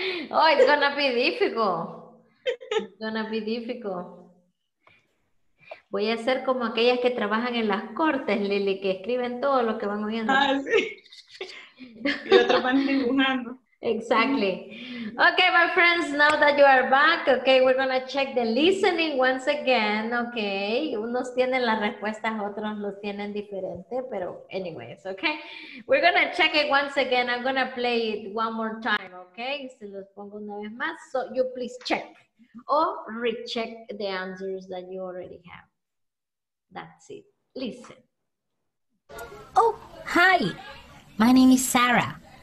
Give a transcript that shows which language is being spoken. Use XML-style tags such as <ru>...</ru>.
<en>Oh, it's gonna be difficult. It's gonna be difficult.</en> <es>Voy a ser como aquellas que trabajan en las cortes, Lili, que escriben todo lo que van oyendo. Ah, sí. Y otros van dibujando.</es> <en>Exactly. Okay, my friends, now that you are back, okay, we're going to check the listening once again, okay?</en> <es>Unos tienen las respuestas, otros los tienen diferente, pero anyways, okay?</es> <en>We're going to check it once again. I'm going to play it one more time, okay?</en> <es>Se los pongo una vez más.</es> <en>So you please check or recheck the answers that you already have. That's it. Listen. Oh, hi. My name is Sarah.</en>